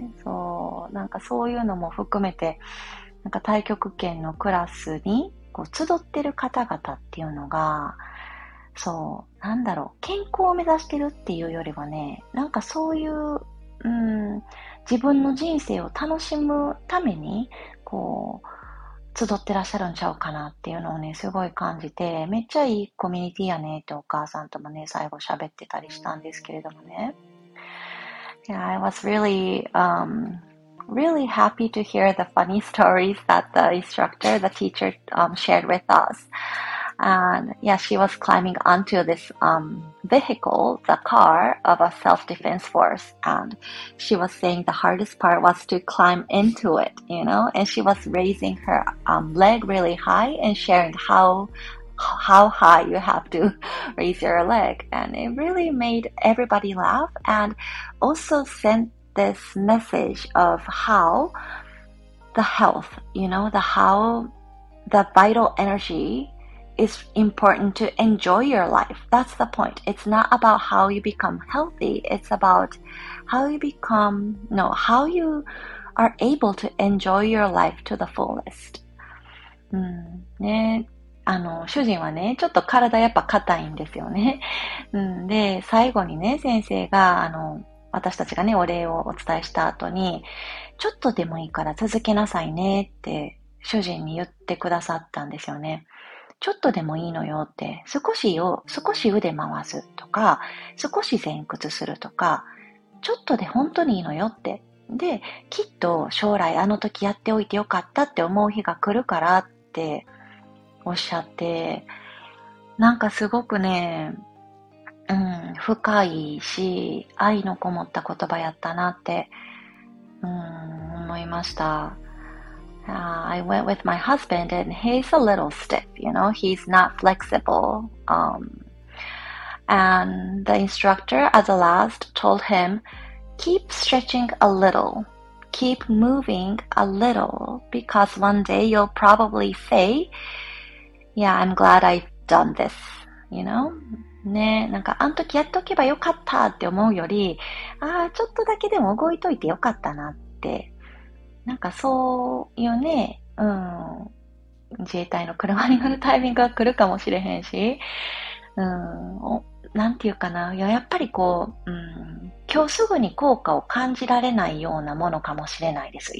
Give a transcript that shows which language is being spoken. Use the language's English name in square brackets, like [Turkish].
[Japanese] そう、なんかそういうのも含めて、なんか太極拳のクラスにこう集ってる方々っていうのが、そう、なんだろう、健康を目指してるっていうよりはね、なんかそういう、自分の人生を楽しむためにこう集ってらっしゃるんちゃうかなっていうのをね、すごい感じて、めっちゃいいコミュニティやねってお母さんともね、最後喋ってたりしたんですけれどもね。 [English] Yeah, I was really, really happy to hear the funny stories that the instructor, the teacher, shared with us. And yeah, she was climbing onto this, vehicle, the car of a self-defense force. And she was saying the hardest part was to climb into it, you know, and she was raising her, leg really high and sharing how high you have to raise your leg. And it really made everybody laugh and also sent this message of how the health, you know, how the vital energy is important to enjoy your life. That's the point. It's not about how you become healthy. It's about how you are able to enjoy your life to the fullest. [Japanese] ね、あの主人はね、ちょっと体やっぱ硬いんですよね。で、最後にね、先生が、あの、私たちがね、お礼をお伝えした後に、ちょっとでもいいから続けなさいねって主人に言ってくださったんですよね。ちょっとでもいいのよって、少し腕回すとか、少し前屈するとか、ちょっとで本当にいいのよって。で、きっと将来あの時やっておいてよかったって思う日が来るからっておっしゃって、なんかすごくね、深いし、愛のこもった言葉やったなって、思いました。 [English] I went with my husband and he's a little stiff, you know, he's not flexible. And the instructor at the last told him, keep stretching a little, keep moving a little, because one day you'll probably say, yeah, I'm glad I've done this, you know? [Japanese] ね、なんかあの時やっておけばよかったって思うより、ああ、ちょっとだけでも動いといてよかったなって。なんかそういうね、自衛隊の車に乗るタイミングが来るかもしれへんし、なんていうかな、いや、 やっぱりこう、今日すぐに効果を感じられないようなものかもしれないです。